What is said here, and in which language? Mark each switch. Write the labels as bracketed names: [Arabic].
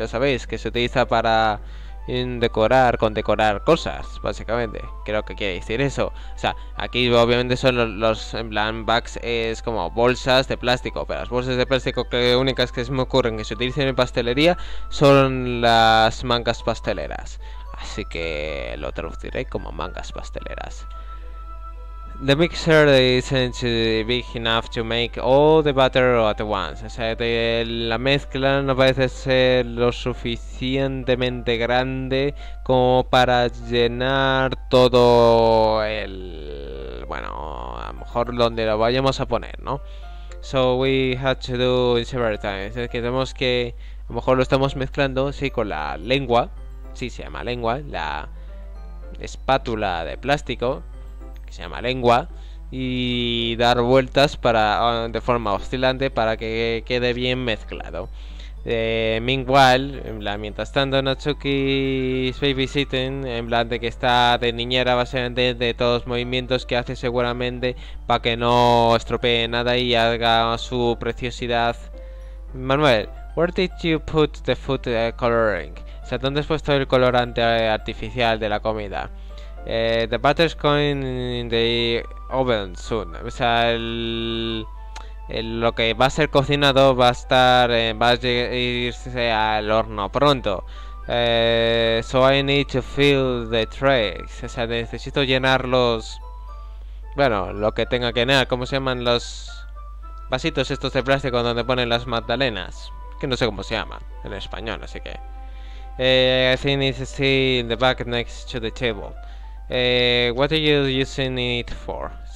[Spanish] Ya sabéis, que se utiliza para condecorar cosas, básicamente. Creo que quiere decir eso. O sea, aquí obviamente son los en plan bags, es como bolsas de plástico. Pero las bolsas de plástico que únicas que se me ocurren que se utilizan en pastelería son las mangas pasteleras. Así que lo traduciré como mangas pasteleras. [English] The mixer isn't to be big enough to make all the butter at once. [Spanish] O sea, la mezcla no parece ser lo suficientemente grande como para llenar todo el. Bueno, a lo mejor donde lo vayamos a poner, ¿no? [English] So we had to do it several times. [Spanish] Es que tenemos que. A lo mejor lo estamos mezclando, sí, con la lengua. Sí, se llama lengua. La espátula de plástico. Que se llama lengua y dar vueltas de forma oscilante para que quede bien mezclado. [English] Meanwhile, [Spanish] mientras tanto, Natsuki [English] is babysitting, [Spanish] en plan de que está de niñera básicamente de todos los movimientos que hace seguramente para que no estropee nada y haga su preciosidad. [English] Manuel, where did you put the food coloring? [Spanish] O sea, ¿dónde has puesto el colorante artificial de la comida? [English] The butter's going in the oven soon. [Spanish] O sea, lo que va a ser cocinado va a estar, va a irse al horno pronto. [English] So I need to fill the trays. [Spanish] O sea, necesito llenar los. Bueno, lo que tenga que llenar. ¿Cómo se llaman los vasitos estos de plástico donde ponen las magdalenas? Que no sé cómo se llaman en español, así que. [English] I think it's still in the back next to the table. What are you using it for?